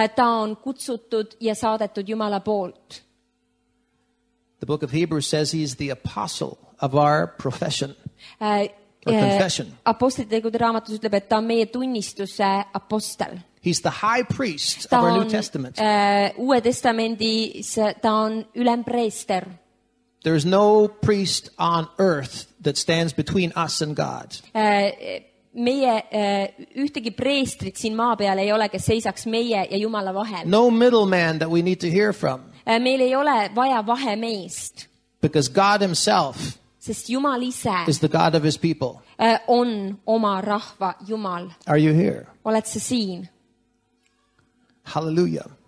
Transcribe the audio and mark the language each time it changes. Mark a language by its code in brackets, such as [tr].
[et] Ta on kutsutud ja saadetud Jumala poolt. [en] The book of Hebrews says he is the apostle of our profession. Confession. [et] Apostlite tegude raamatus ütleb, et ta on meie tunnistuse apostel. [en] He's the high priest of our New Testament. [et] Uue testamendis ta on ülempreester. [en] There is no priest on earth that stands between us and God. [et] Meie ühtegi preestrit siin maa peal ei ole, kes seisaks meie ja Jumala vahel. [en] No middleman that we need to hear from. [et] Meil ei ole vaja vahe meist. [en] Because God himself, [et] sest Jumal ise, [en] is the God of his people. [et] On oma rahva Jumal. [en] Are you here? [et] Oled sa siin? [en] Hallelujah.